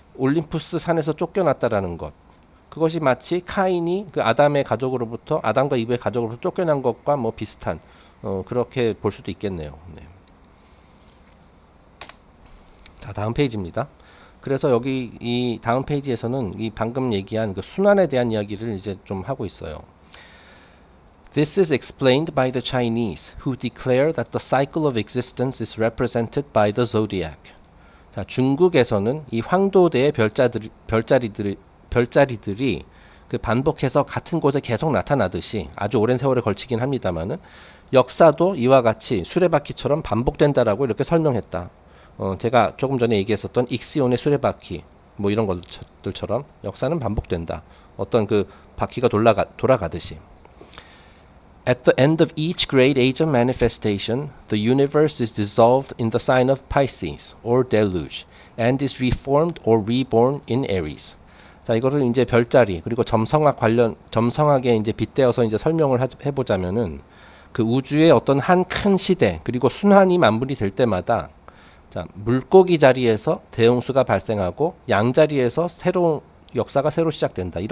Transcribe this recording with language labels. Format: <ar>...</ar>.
<ko>올림푸스 산에서 쫓겨났다라는 것. 그것이 마치 카인이 그 아담의 가족으로부터, 아담과 이브의 가족으로부터 쫓겨난 것과 뭐 비슷한, 그렇게 볼 수도 있겠네요. 네. 자, 다음 페이지입니다. 그래서 여기 이 다음 페이지에서는 이 방금 얘기한 그 순환에 대한 이야기를 이제 좀 하고 있어요.</ko> <en>This is explained by the Chinese who declare that the cycle of existence is represented by the zodiac.</en> <ko>자, 중국에서는 이 황도대의 별자리들이 그 반복해서 같은 곳에 계속 나타나듯이 아주 오랜 세월에 걸치긴 합니다만은 역사도 이와 같이 수레바퀴처럼 반복된다라고 이렇게 설명했다. 제가 조금 전에 얘기했었던 익시온의 수레바퀴 뭐 이런 것들처럼 역사는 반복된다. 어떤 그 바퀴가 돌아가듯이.</ko> <en>At the end of each great age of manifestation, the universe is dissolved in the sign of Pisces or deluge and is reformed or reborn in Aries.</en> <ko>자, 이거를 이제 별자리 그리고 점성학 관련 점성학에 이제 빗대어서 이제 설명을 해 보자면은 그 우주의 어떤 한큰 시대 그리고 순환이 만분이 될 때마다 자, 물고기 자리에서 대홍수가 발생하고 양자리에서 새로운 역사가 새로 시작된다.</ko>